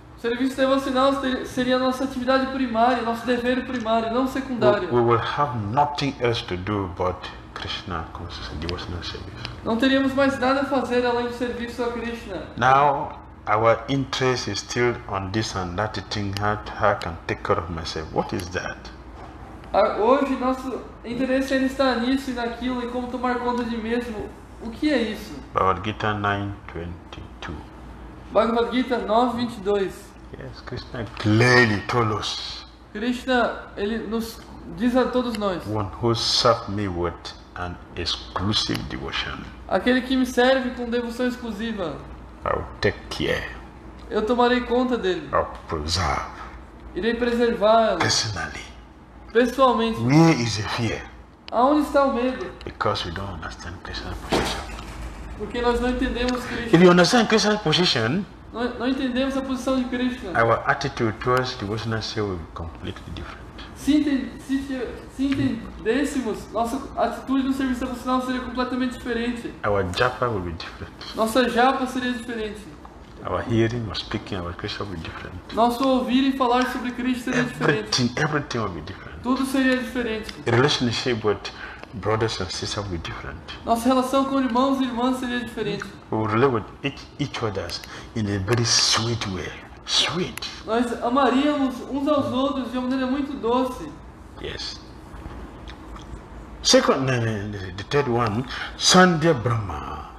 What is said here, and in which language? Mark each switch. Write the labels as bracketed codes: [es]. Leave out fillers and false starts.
[pt] O serviço devocional seria nossa atividade primária, nosso dever primário, não secundário. [en] We will have nothing else to do but Krishna consciousness and devotional service. [pt] Não teríamos mais nada a fazer além do serviço a Krishna. [en] Now, our interest is still on this and that thing, how I can take care of myself. What is that? [pt] Hoje nosso interesse ainda está nisso e naquilo e como tomar conta de mesmo. O que é isso? [en] Bhagavad Gita 9:22. [pt] Bhagavad Gita 9:22. [en] Yes, Krishna clearly told us. [pt] Krishna, ele nos diz a todos nós. [en] One who serves me with an exclusive devotion. [pt] Aquele que me serve com devoção exclusiva. [en] I'll take care. [pt] Eu tomarei conta dele. [en] I'll preserve. [pt] Irei preservá-lo. [en] Personally. [pt] Pessoalmente. [en] Where is the fear? [pt] Aonde está o medo? [en] Because we don't understand Krishna's position. [pt] Porque nós não entendemos Krishna. [en] If you understand Krishna's position, [pt] não entendemos a posição de Krishna. [en] Our attitude towards devotional service will be completely different. [pt] Se entendêssemos, nossa atitude no serviço devocional seria completamente diferente. [en] Our japa will be different. [pt] Nossa japa seria diferente. [en] Our hearing or speaking about Krishna will be different. [pt] Nosso ouvir e falar sobre Krishna seria [en] everything, [pt] diferente. [en] Everything will be different. [pt] Tudo seria diferente. [en] A relationship with brothers and sisters will be different. [pt] Nossa relação com irmãos e irmãs seria diferente. [en] We will relate with each other in a very sweet way. Sweet. [pt] Nós amaríamos uns aos outros de uma maneira muito doce. [en] Yes. Second, the third one, Sadhya Brahma.